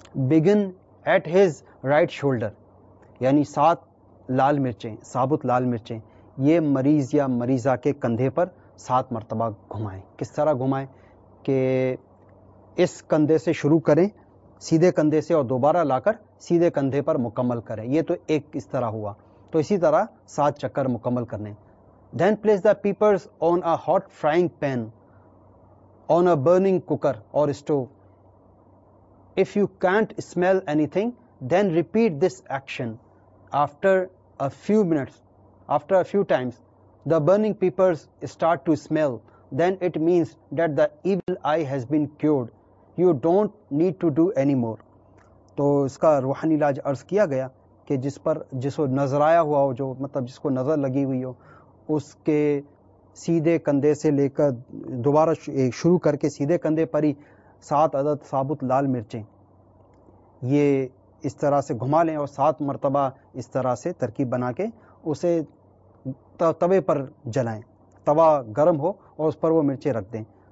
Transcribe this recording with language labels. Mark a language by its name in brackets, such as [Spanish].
[English] begin at his right shoulder, [Urdu] یعنی 7 لال مرچیں، ثابت لال مرچیں، یہ مریض یا مریضہ کے کندھے پر 7 مرتبہ گھمائیں. کس طرح گھمائیں؟ کہ اس کندھے سے شروع کریں، سیدھے کندھے سے، اور دوبارہ لا کر سیدھے کندھے پر مکمل کریں. یہ تو ایک اس طرح ہوا، تو اسی طرح 7 چکر مکمل کرنے. [English] Then place the papers on a hot frying pan on a burning cooker اور stove. If you can't smell anything, then repeat this action. After a few minutes, after a few times, the burning papers start to smell. Then it means that the evil eye has been cured. You don't need to do any more. [Urdu] تو اس کا روحانی علاج عرض کیا گیا کہ جس پر جس کو نظر آیا ہوا ہو، جو مطلب جس کو نظر لگی ہوئی ہو، اس کے سیدھے کندھے سے لے کر دوبارہ شروع کر کے سیدھے کندھے پر ہی 7 عدد ثابت لال مرچیں یہ اس طرح سے گھما لیں، اور 7 مرتبہ اس طرح سے ترکیب بنا کے اسے توے پر جلائیں، توا گرم ہو اور اس پر وہ مرچیں رکھ دیں.